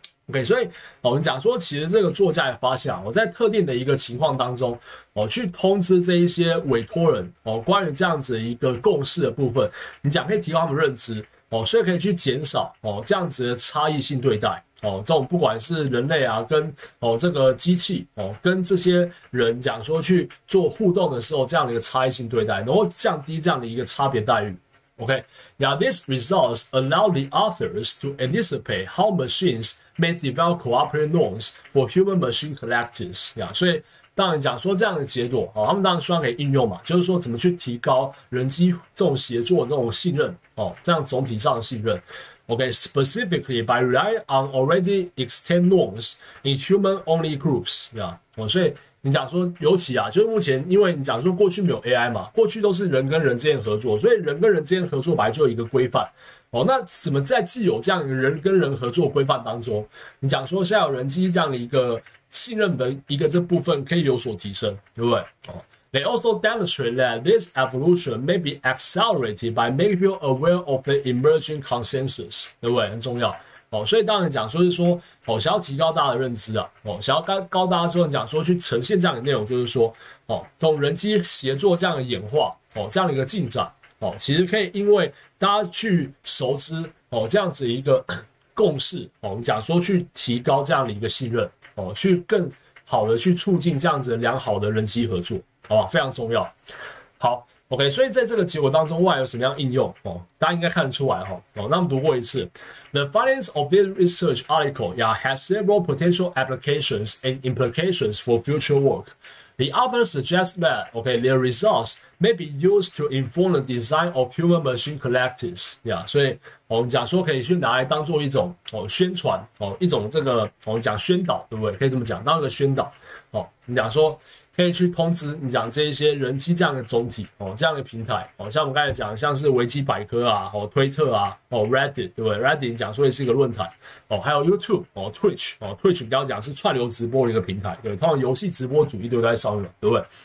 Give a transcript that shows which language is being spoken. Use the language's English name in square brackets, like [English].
[Chinese] Okay, 所以，哦，我们讲说，其实这个作家也发现，我在特定的一个情况当中，哦，去通知这一些委托人，哦，关于这样子一个共识的部分，你讲可以提高他们认知，哦，所以可以去减少，哦，这样子的差异性对待。哦，这种不管是人类啊，跟哦这个机器哦，跟这些人讲说去做互动的时候，这样的一个差异性对待，然后降低这样的一个差别待遇。 [English] OK， now these results allow the authors to anticipate how machines may develop cooperative norms for human-machine collectives. [Chinese] 呀，所以当然讲说这样的结果哦，他们当然希望可以应用嘛，就是说怎么去提高人机这种协作这种信任哦，这样总体上的信任。 [English] Okay, specifically by relying on already extant norms in human-only groups. Yeah, [Chinese] 哦，所以你讲说，尤其啊，就是目前，因为你讲说过去没有 AI 嘛，过去都是人跟人之间合作，所以人跟人之间合作本来就有一个规范。哦，那怎么在既有这样人跟人合作规范当中，你讲说现在有人机这样的一个信任的一个这部分可以有所提升，对不对？哦。 [English] They also demonstrate that this evolution may be accelerated by making people aware of the emerging consensus, [Chinese] 对不对？很重要。哦，所以当然讲说是说，哦，想要提高大家的认知啊，哦，想要高大家之后讲说去呈现这样的内容，就是说，哦，这种人机协作这样的演化，哦，这样的一个进展，哦，其实可以因为大家去熟知，哦，这样子一个共识，哦，我们讲说去提高这样的一个信任，哦，去更好的去促进这样子良好的人机合作。好吧，非常重要。好 ，OK， 所以在这个结果当中，外有什么样应用哦？大家应该看得出来哈。哦，那我们读过一次 [English] ，The findings of this research article yeah, has several potential applications and implications for future work. The author suggests that OK, their results may be used to inform the design of human-machine collectives. [Chinese] Yeah, 所以、哦、我们讲说可以去拿来当做一种哦宣传哦一种这个、哦、我们讲宣导，对不对？可以这么讲，当一个宣导哦。你讲说。可以去通知你讲这一些人机这样的总体、哦、这样的平台、哦、像我们刚才讲像是维基百科啊、哦、推特啊、哦、Reddit 对不对 Reddit 讲说也是一个论坛、哦、还有 YouTube、哦、Twitch、哦、Twitch 比较讲是串流直播的一个平台对通常游戏直播主义都在上面对不对